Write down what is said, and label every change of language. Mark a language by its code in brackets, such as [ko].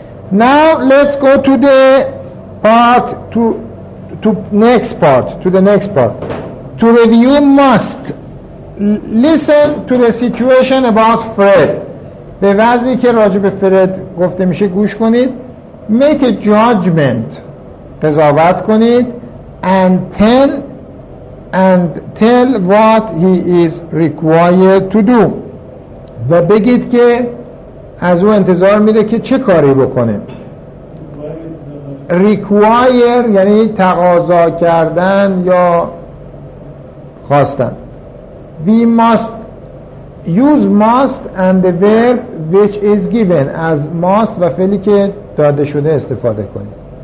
[en] Now let's go to the part to the next part. To review, must listen to the situation about Fred. [fa] به وضعی که راجع به فرد گفته میشه گوش کنید. [en] Make a judgment. [fa] قضاوت کنید. [en] And tell what he is required to do. [fa] و بگید که از او انتظار میره که چه کاری بکنه. require یعنی تقاضا کردن یا خواستن. [en] we must use must and the verb which is given. [fa] از must و فعلی که داده شده استفاده کنیم.